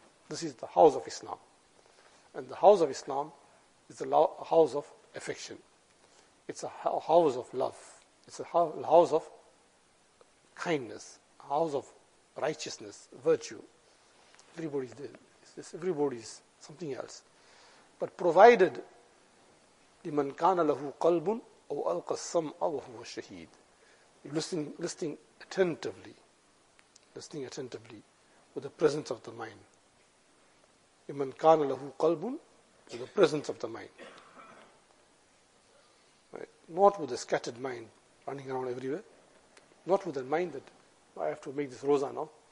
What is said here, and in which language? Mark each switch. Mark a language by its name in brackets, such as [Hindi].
[English] This is the house of Islam. And the house of Islam is a house of affection. It's a house of love. It's a house of kindness, a house of righteousness, virtue. Everybody's there. It's this. Everybody's something else. But provided [Arabic] لِمَنْ كَانَ لَهُ قَلْبٌ أَوْ أَلْقَ السَّمْعَ وَهُوَ الشَّهِيدٌ. [English] You're listening attentively with the presence of the mind. [Arabic] لِمَنْ كَانَ لَهُ قَلْبٌ [English] with the presence of the mind. Right? Not with a scattered mind running around everywhere. Not with a mind that I have to make this roza now.